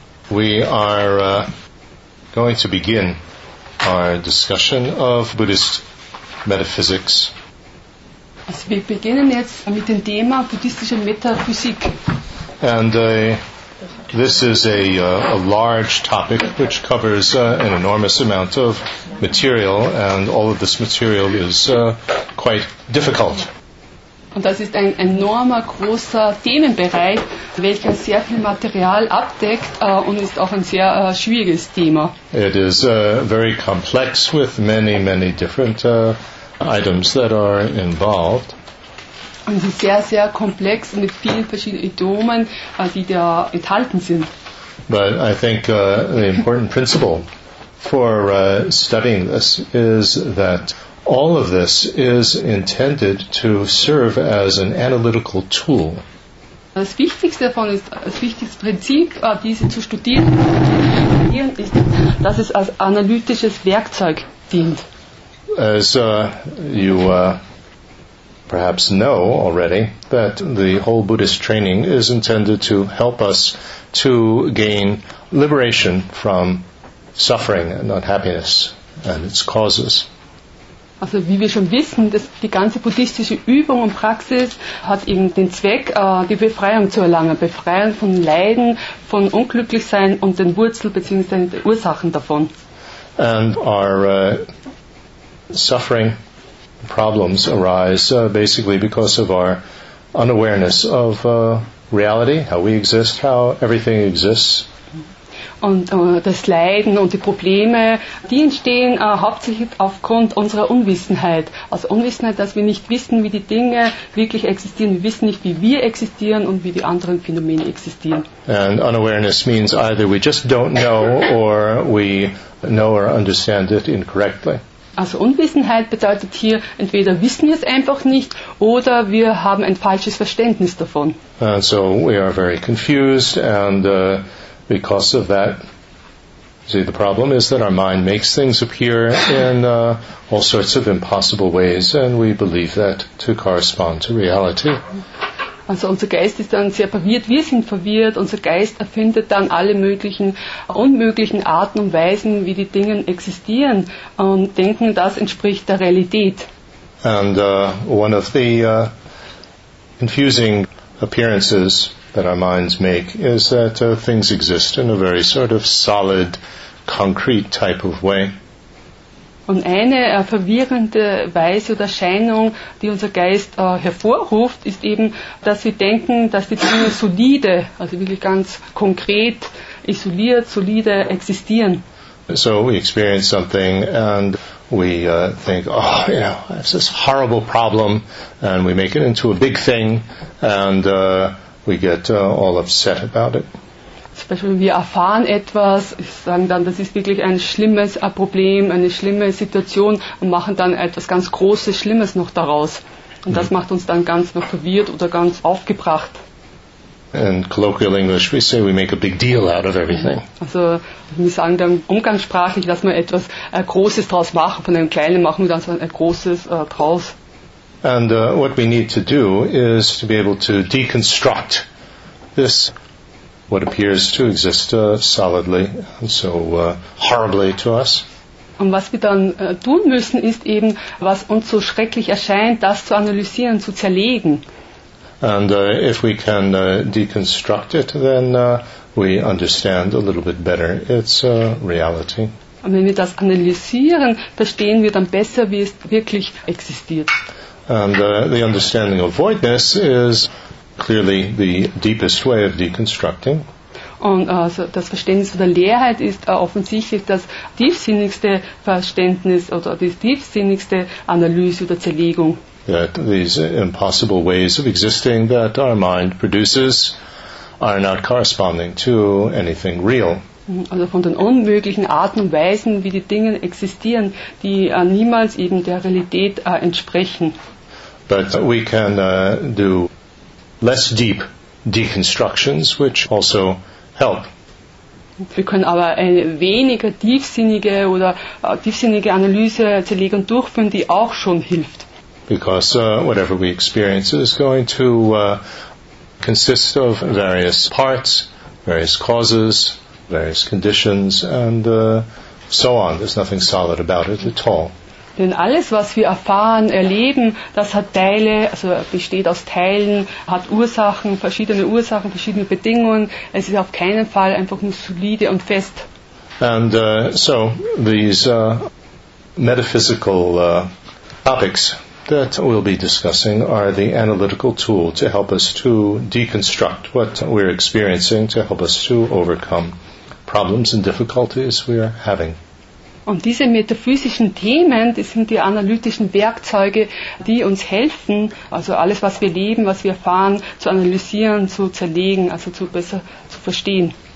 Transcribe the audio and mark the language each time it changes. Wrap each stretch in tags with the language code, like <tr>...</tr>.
<en>We are going to begin our discussion of Buddhist metaphysics.</en> <de>Also wir beginnen jetzt mit dem Thema buddhistische Metaphysik.</de> <en>And this is a large topic which covers an enormous amount of material, and all of this material is quite difficult.</en> <de>Und das ist ein enormer, großer Themenbereich, welcher sehr viel Material abdeckt und ist auch ein sehr schwieriges Thema.</de> <en>It is very complex with many, many different items that are involved.</en> <de>Und es ist sehr, sehr komplex mit vielen verschiedenen Idiomen, die da enthalten sind.</de> <en>But I think the important principle for studying this is that all of this is intended to serve as an analytical tool.</en> <de>Das Wichtigste davon ist, das wichtigste Prinzip, diese zu studieren, ist, dass es als analytisches Werkzeug dient.</de> <en>As you perhaps know already, that the whole Buddhist training is intended to help us to gain liberation from suffering and unhappiness and its causes.</en> <de>Also wie wir schon wissen, dass die ganze buddhistische Übung und Praxis hat eben den Zweck, die Befreiung zu erlangen. Befreiung von Leiden, von Unglücklichsein und den Wurzeln bzw. den Ursachen davon.</de> <en>And our suffering problems arise basically because of our unawareness of reality, how we exist, how everything exists.</en> <de>Und das Leiden und die Probleme, die entstehen hauptsächlich aufgrund unserer Unwissenheit. Also Unwissenheit, dass wir nicht wissen, wie die Dinge wirklich existieren. Wir wissen nicht, wie wir existieren und wie die anderen Phänomene existieren.</de> <en>And unawareness means either we just don't know or we know or understand it incorrectly.</en> <de>Also Unwissenheit bedeutet hier, entweder wissen wir es einfach nicht oder wir haben ein falsches Verständnis davon.</de> <en>And so we are very confused and because of that, see, the problem is that our mind makes things appear in all sorts of impossible ways, and we believe that to correspond to reality.</en> <de>Also unser Geist ist dann sehr verwirrt, wir sind verwirrt, unser Geist erfindet dann alle möglichen, unmöglichen Arten und Weisen, wie die Dinge existieren, und denken, das entspricht der Realität.</de> <en>And one of the confusing appearances that our minds make is that things exist in a very sort of solid, concrete type of way.</en> <de>Und eine verwirrende Weise oder Erscheinung, die unser Geist hervorruft, ist eben, dass wir denken, dass die Dinge solide, also wirklich ganz konkret, isoliert, solide existieren.</de> <en>So we experience something and we think, oh, you know, it's this horrible problem, and we make it into a big thing, and we get all upset about it.</en> <de>Zum Beispiel, wir erfahren etwas, sagen dann, das ist wirklich ein schlimmes Problem, eine schlimme Situation, und machen dann etwas ganz Großes, Schlimmes noch daraus. Und das macht uns dann ganz noch verwirrt oder ganz aufgebracht.</de> <en>In colloquial English, we say we make a big deal out of everything.</en> <de>Also, wir sagen dann umgangssprachlich, dass wir etwas Großes draus machen, von einem Kleinen machen wir dann so ein Großes draus.</de> <en>And what we need to do is to be able to deconstruct this, what appears to exist solidly and so horribly to us.</en> <de>Und was wir dann tun müssen, ist eben, was uns so schrecklich erscheint, das zu analysieren, zu zerlegen.</de> <en>And if we can deconstruct it, then we understand a little bit better its reality.</en> <de>Und wenn wir das analysieren, verstehen wir dann besser, wie es wirklich existiert.</de> <en>And the understanding of voidness is clearly the deepest way of deconstructing.</en> <de>Und also das Verständnis von der Leerheit ist offensichtlich das tiefsinnigste Verständnis oder die tiefsinnigste Analyse oder Zerlegung.</de> <en>That these impossible ways of existing that our mind produces are not corresponding to anything real.</en> <de>Also von den unmöglichen Arten und Weisen, wie die Dinge existieren, die niemals eben der Realität entsprechen.</de> <en>But we can do less deep deconstructions, which also help.</en> <de>Wir können aber eine weniger tiefsinnige oder tiefsinnige Analyse zerlegen durchführen, die auch schon hilft.</de> <en>Because whatever we experience is going to consist of various parts, various causes. various conditions and so on. There's nothing solid about it at all.</en> <de>Denn alles, was wir erfahren, erleben, das hat Teile, also besteht aus Teilen, hat Ursachen, verschiedene Bedingungen. Es ist auf keinen Fall einfach nur solide und fest.</de> <en>And so these metaphysical topics that we'll be discussing are the analytical tool to help us to deconstruct what we're experiencing, to help us to overcome problems and difficulties we are having.</en> <de>Und diese metaphysischen Themen, das sind die analytischen Werkzeuge, die uns helfen, also alles, was wir leben, was wir erfahren, zu analysieren, zu zerlegen, also zu besser zu verstehen.</de>